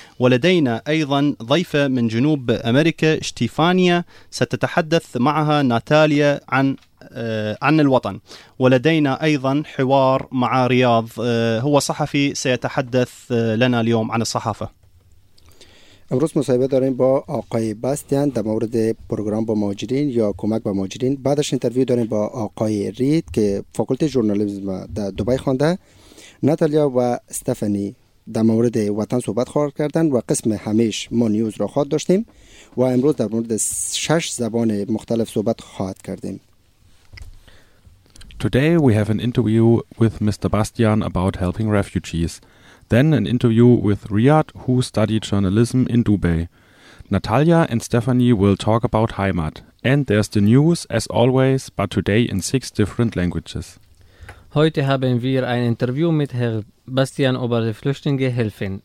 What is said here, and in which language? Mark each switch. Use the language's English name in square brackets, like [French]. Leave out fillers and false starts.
[Arabic] ولدينا أيضا ضيفة من جنوب أمريكا، شتيفانيا، ستتحدث معها ناتاليا عن الوطن. ولدينا أيضا حوار مع رياض، هو صحفي، سيتحدث لنا اليوم عن الصحافة. [Persian] امروز مصاحبه داریم با آقای باستیان در مورد پروگرام با مهاجرین یا کمک به مهاجرین. بعدش انترویو داریم با آقای رید که فاکولته ژورنالیسم در دبی خوانده. ناتالیا و استفانی در مورد وطن صحبت خواهد کردن و قسم همیش ما نیوز را خواهد داشتیم و امروز در مورد 6 زبان مختلف صحبت خواهد کردیم. [English] Today we have an interview with Mr. Bastian about helping refugees. Then an interview with Riyad, who studied journalism in Dubai. Natalia and Stephanie will talk about Heimat. And there's the news, as always, but today in 6 different languages. [German] Heute haben wir ein Interview mit Herrn Bastian über die Flüchtlinge helfen.